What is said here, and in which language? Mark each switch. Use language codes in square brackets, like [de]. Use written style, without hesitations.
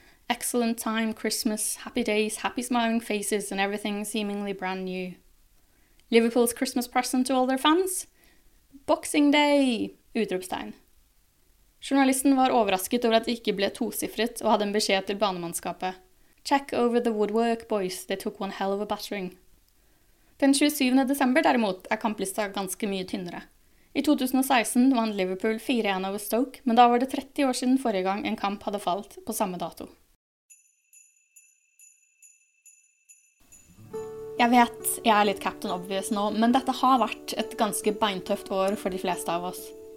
[en] Excellent time, Christmas, happy days, happy smiling faces and everything seemingly brand new. Liverpool's Christmas present to all their fans? Boxing Day! [no] Utropstegn. Journalisten var overrasket over at det ikke ble tosiffret og hadde en beskjed til banemannskapet. [en] Check over the woodwork, boys. They took one hell of a battering. [no] Den 27. desember, derimot, kamplista ganske mye tynnere. I 2016 vant Liverpool 4-1 over Stoke, men da var det 30 år siden forrige gang en kamp hadde falt på samme dato. Jeg vet jeg litt captain obvious nå, men dette har vært et ganske beintøft år for de fleste av oss.